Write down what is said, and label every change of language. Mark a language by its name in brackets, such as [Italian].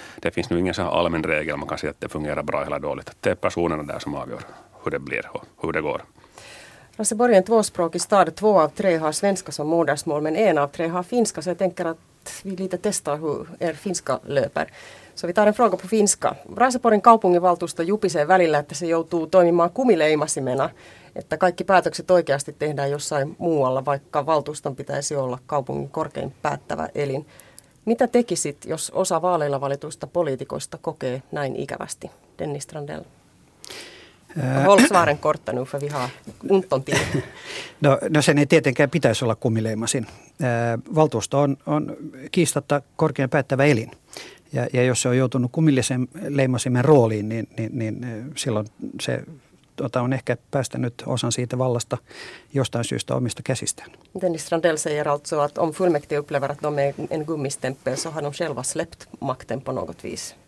[Swedish] Att det finns nu ingen så här allmän regel. Man kan säga att det fungerar bra eller dåligt. Att det är personerna där som avgör hur det blir och hur det går. Raseborg är en tvåspråkig stad. Två av tre har svenska som modersmål, men en av tre har finska. Så jag tänker att vi lite testar hur er finska löper. Så vi tar en fråga på finska. [Finnish] Raseborgin kaupunginvaltuusto jupisee välillä, että se joutuu toimimaan kumileimasimena, että kaikki päätökset oikeasti tehdään jossain muualla, vaikka valtuuston pitäisi olla kaupungin korkein päättävä elin. Mitä tekisit, jos osa vaaleilla valituista poliitikoista kokee näin ikävästi? [Swedish] Dennis Strandell. Volksvaaren kortta nu för vi har ont om tid. [Finnish] No sen ei tietenkään pitäisi olla kumileimasin. Valtuusto on kiistatta korkein päättävä elin. Ja jos se on joutunut kumillisen leimasimen rooliin, niin silloin se on ehkä päästänyt osan siitä vallasta jostain syystä omista käsistään. [Swedish] Dennis Strandell säger alltså att om fullmäktige upplever att de är en gummistempel så har de själva släppt makten på något vis.